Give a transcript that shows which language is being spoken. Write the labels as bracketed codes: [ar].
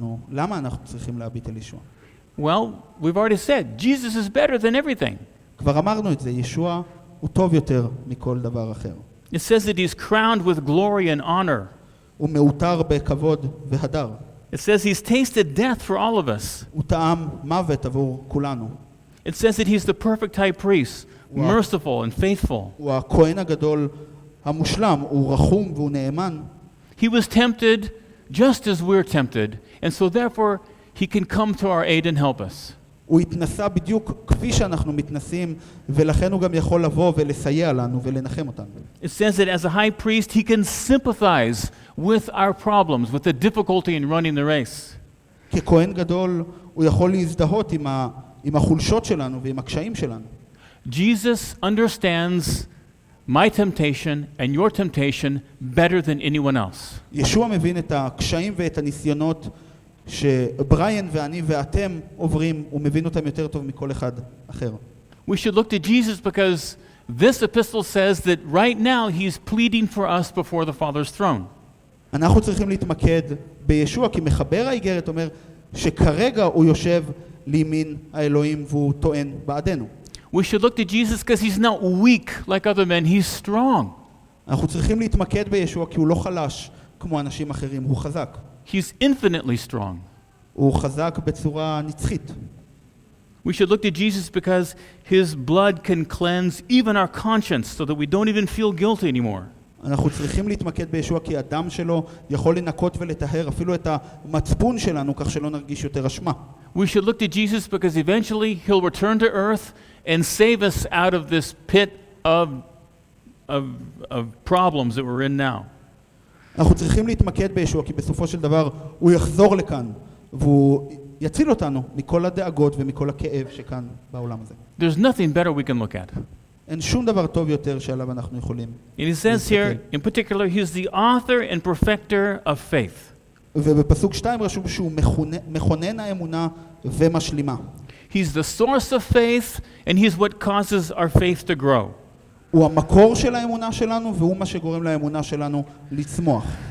[he] למה אנחנו צריכים להביט אל ישוע? [en] Well, we've already said Jesus is better than everything. [he] כבר אמרנו את זה, ישוע הוא טוב יותר מכל דבר אחר. [en] It says that he's crowned with glory and honor. [he] הוא מעוטר בכבוד והדר. [en] It says he's tasted death for all of us. [he] הוא טעם מוות עבור כולנו. [en] It says that he's the perfect high priest, merciful and faithful. [he] הוא הכהן הגדול המושלם, הוא רחום והוא נאמן. [en] He was tempted just as we're tempted, and so therefore he can come to our aid and help us. [he] הוא התנסה בדיוק כפי שאנחנו מתנסים, ולכן הוא גם יכול לבוא ולסייע לנו ולנחם אותנו. [en] It says that as a high priest he can sympathize with our problems, with the difficulty in running the race. [he] ככהן גדול הוא יכול להזדהות עם החולשות שלנו ועם הקשיים שלנו. [en] Jesus understands my temptation and your temptation better than anyone else. [he] ישוע מבין את הקשיים ואת הניסיונות שבריין ואני ואתם עוברים, ומבין אותם יותר טוב מכל אחד אחר. [en] We should look to Jesus because this epistle says that right now he's pleading for us before the Father's throne. [he] אנחנו צריכים להתמקד בישוע, כי מחבר האיגרת אומר שכרגע הוא יושב לימין האלוהים והוא טוען בעדנו. [en] We should look to Jesus because he's not weak like other men, he's strong. [he] אנחנו צריכים להתמקד בישוע כי הוא לא חלש כמו אנשים אחרים, הוא חזק. [en] He's infinitely strong. [he] הוא חזק בצורה נצחית. [en] We should look to Jesus because his blood can cleanse even our conscience so that we don't even feel guilty anymore. [he] אנחנו צריכים להתמקד בישוע כי הדם שלו יכול לנקות ולטהר אפילו את המצפון שלנו כך שלא נרגיש יותר אשמה. [en] We should look to Jesus because eventually he'll return to earth and save us out of this pit of of problems that we're in now. [he] אנחנו צריכים להתמקד בישוע, כי בסופו של דבר הוא יחזור לכאן והוא יציל אותנו מכל הדאגות ומכל הכאב שכאן בעולם הזה. [en] There's nothing better we can look at. [he] אין שום דבר טוב יותר שעליו אנחנו יכולים. [en] And he says here in particular he's the author and perfecter of faith. [he] ובפסוק 2 רשום שהוא מכונן האמונה ומשלימה. [en] He's the source of faith and he's what causes our faith to grow. [he] הוא המקור של האמונה שלנו והוא מה שגורם לאמונה שלנו לצמוח.